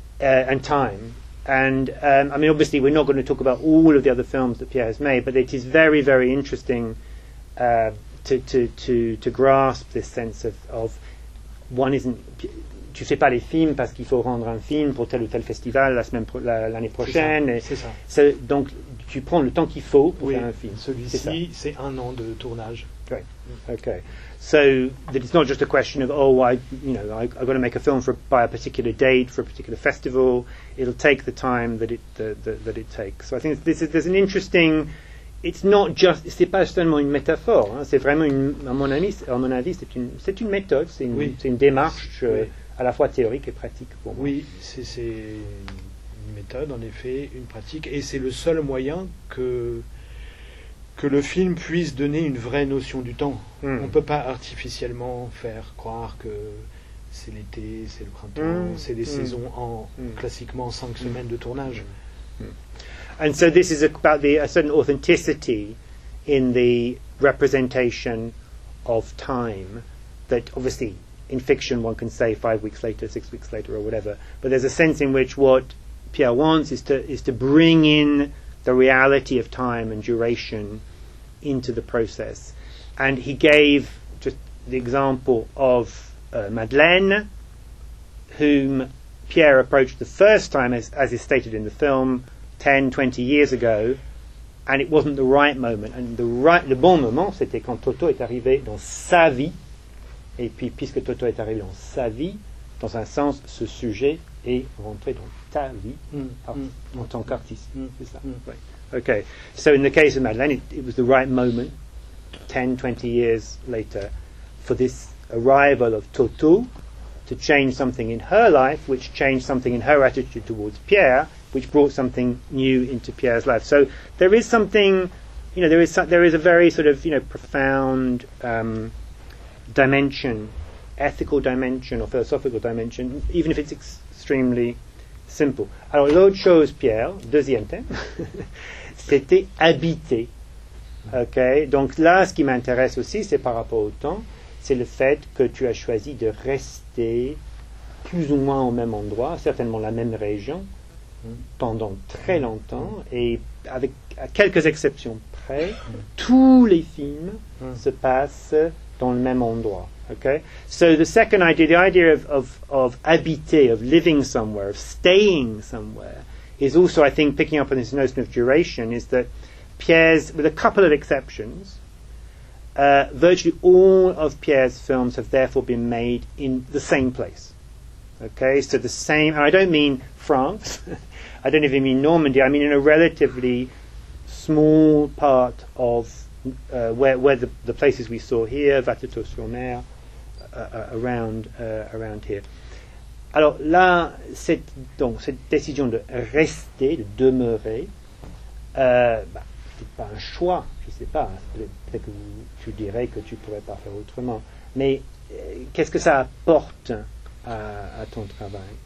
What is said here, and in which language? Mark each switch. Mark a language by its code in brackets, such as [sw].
[en] And time, and I mean, obviously, we're not going to talk about all of the other films that Pierre has made, but it is very, very interesting to grasp this sense of one isn't. [fr] Tu fais pas les films parce qu'il faut rendre un film pour tel ou tel festival l'année prochaine. C'est ça. Et [en] so, [fr] donc, tu prends le temps qu'il faut pour faire un film. Celui-ci, c'est un an de tournage. [en] Right. Okay. So that it's not just a question of I've got to make a film by a particular date for a particular festival. It'll take the time that it takes. So I think there's an interesting. It's not just. [fr] C'est pas seulement une métaphore. Hein, c'est vraiment à mon avis, c'est une méthode. C'est une, oui. c'est une démarche oui. À la fois théorique et pratique. Pour moi. Oui, c'est une méthode en effet, une pratique, et c'est le seul moyen que le film puisse donner une vraie notion du temps. Mm. On ne peut pas artificiellement faire croire que c'est l'été, c'est le printemps, c'est les saisons classiquement 5 semaines de tournage. [en] And so this is about a certain authenticity in the representation of time that obviously in fiction one can say 5 weeks later, 6 weeks later or whatever, but there's a sense in which what Pierre wants is to bring in the reality of time and duration into the process. And he gave just the example of Madeleine, whom Pierre approached the first time, as is stated in the film, 10, 20 years ago, and it wasn't the right moment. And the right, [fr] le bon moment, c'était quand Toto est arrivé dans sa vie. Et puis, puisque Toto est arrivé dans sa vie, dans un sens, ce sujet est rentré dans ta vie en tant qu'artiste. C'est ça. [en] Right. Okay. So in the case of Madeleine, it was the right moment, 10, 20 years later, for this arrival of Toto to change something in her life, which changed something in her attitude towards Pierre, which brought something new into Pierre's life. So there is something, you know, there is a very sort of, you know, profound dimension, ethical dimension or philosophical dimension, even if it's extremely simple. [fr] Alors l'autre chose, Pierre, deuxième thème, c'était habiter. Ok, donc là, ce qui m'intéresse aussi, c'est par rapport au temps, c'est le fait que tu as choisi de rester plus ou moins au même endroit, certainement la même région, pendant très longtemps, et avec quelques exceptions près, tous les films se passent dans le même endroit. [en] Okay? So the second idea, the idea of habiter, of living somewhere, of staying somewhere, is also, I think, picking up on this notion of duration, is that Pierre's, with a couple of exceptions, virtually all of Pierre's films have therefore been made in the same place. Okay, so the same, and I don't mean France, I don't even mean Normandy, I mean in a relatively small part of where the places we saw here, Vatteto-sur-Mer, around here. [fr] Alors là, cette décision de rester, de demeurer, c'est pas un choix, je sais pas, peut-être que tu dirais que tu pourrais pas faire autrement, mais qu'est-ce que ça apporte à ton travail?